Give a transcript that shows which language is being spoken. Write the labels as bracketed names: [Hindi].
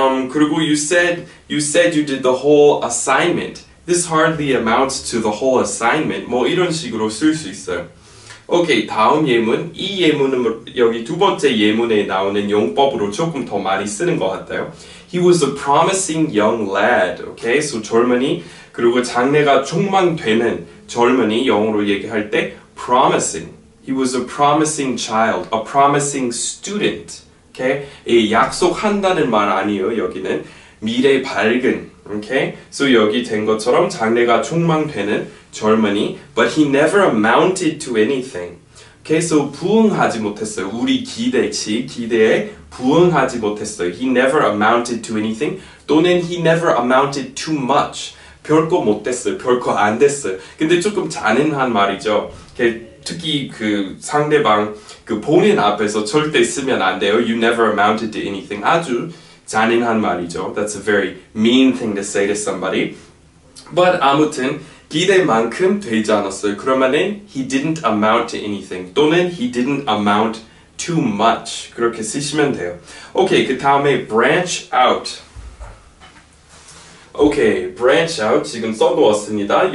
[Korean] 그리고 [English] you said you did the whole assignment. This hardly amounts to the whole assignment. [Korean] 뭐 이런 식으로 쓸 수 있어요. 오케이, 다음 예문. 이 예문은 여기 두 번째 예문에 나오는 용법으로 조금 더 많이 쓰는 것 같아요. [English] He was a promising young lad. [Korean] 오케이, so 젊은이, 그리고 장래가 촉망되는 젊은이 영어로 얘기할 때 promising. [English] He was a promising child, a promising student. [Korean] 오케이, 이 약속한다는 말 아니에요, 여기는. 미래 밝은. 오케이, so 여기 된 것처럼 장래가 촉망되는 젊은이, [English] but he never amounted to anything. [Korean] Okay, so 부응하지 못했어요. 우리 기대에 부응하지 못했어요. [English] He never amounted to anything. 또는 he never amounted to much. [Korean] 별거 못됐어요. 별거 안 됐어요. 근데 조금 잔인한 말이죠. Okay, 특히 그 상대방, 그 본인 앞에서 절대 쓰면 안 돼요. [English] You never amounted to anything. [Korean] 아주 잔인한 말이죠. [English] That's a very mean thing to say to somebody. [Korean] But 아무튼, 기대만큼 되지 않았어요. [English] 그러면은 he didn't amount to anything. 또는 he didn't amount too much. [Korean] 그렇게 쓰시면 돼요. 오케이, 그 다음에 branch out. 오케이, branch out 지금 써놓았습니다.